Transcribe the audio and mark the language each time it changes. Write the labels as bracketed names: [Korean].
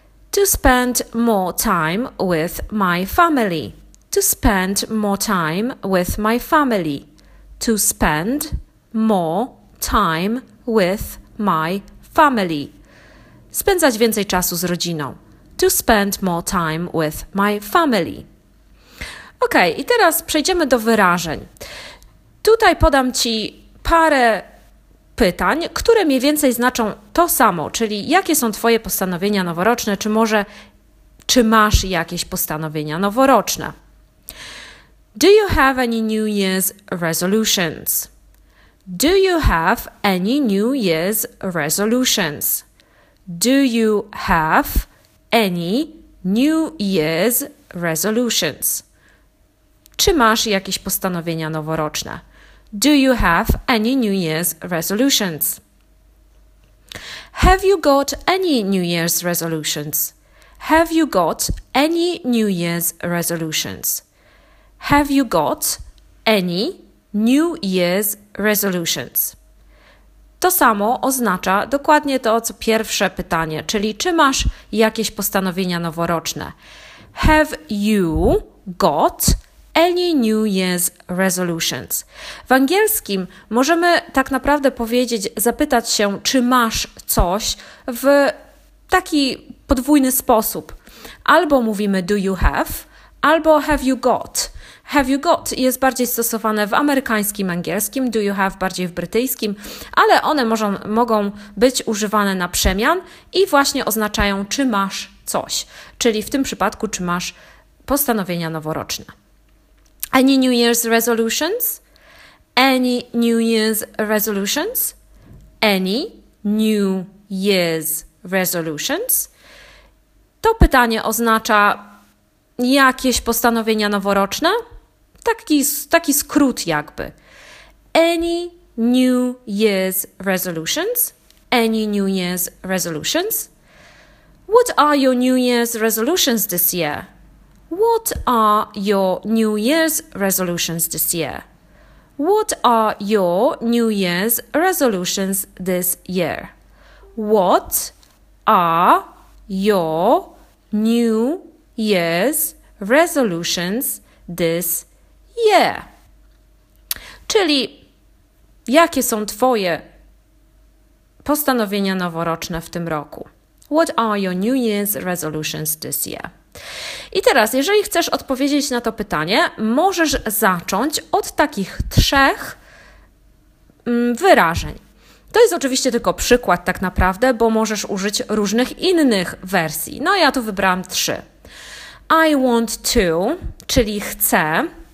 [English] To spend more time with my family. To spend more time with my family. To spend more time with my family. [Polish] Spędzać więcej czasu z rodziną. [English] To spend more time with my family. [Polish] Ok, i teraz przejdziemy do wyrażeń. Tutaj podam Ci parę pytań, które mniej więcej znaczą to samo, czyli jakie są Twoje postanowienia noworoczne, czy może, czy masz jakieś postanowienia noworoczne. [English] Do you have any New Year's resolutions? Do you have any New Year's resolutions? Do you have any New Year's resolutions? [Polish] Czy masz jakieś postanowienia noworoczne? [English] Do you have any New Year's resolutions? Have you got any New Year's resolutions? Have you got any New Year's resolutions? Have you got any New Year's resolutions? [Polish] To samo oznacza dokładnie to, co pierwsze pytanie, czyli czy masz jakieś postanowienia noworoczne? [English] Have you got any New Year's resolutions? [Polish] W angielskim możemy tak naprawdę powiedzieć, zapytać się, czy masz coś w taki podwójny sposób. Albo mówimy [English] do you have, [Polish] albo [English] have you got. Have you got [Polish] jest bardziej stosowane w amerykańskim angielskim, [English] do you have [Polish] bardziej w brytyjskim, ale one mogą być używane na przemian i właśnie oznaczają, czy masz coś. Czyli w tym przypadku, czy masz postanowienia noworoczne. [English] Any New Year's resolutions? Any New Year's resolutions? Any New Year's resolutions? [Polish] To pytanie oznacza Jakieś postanowienia noworoczne? Taki skrót jakby. [English] Any New Year's Resolutions? Any New Year's Resolutions? What are your New Year's Resolutions this year? What are your New Year's Resolutions this year? What are your New Year's Resolutions this year? What are your New Year's Resolutions this year? [Polish] Czyli jakie są Twoje postanowienia noworoczne w tym roku? [English] What are your New Year's Resolutions this year? [Polish] I teraz, jeżeli chcesz odpowiedzieć na to pytanie, możesz zacząć od takich trzech wyrażeń. To jest oczywiście tylko przykład tak naprawdę, bo możesz użyć różnych innych wersji. No ja tu wybrałam trzy. [English] I want to, [Polish] czyli chcę.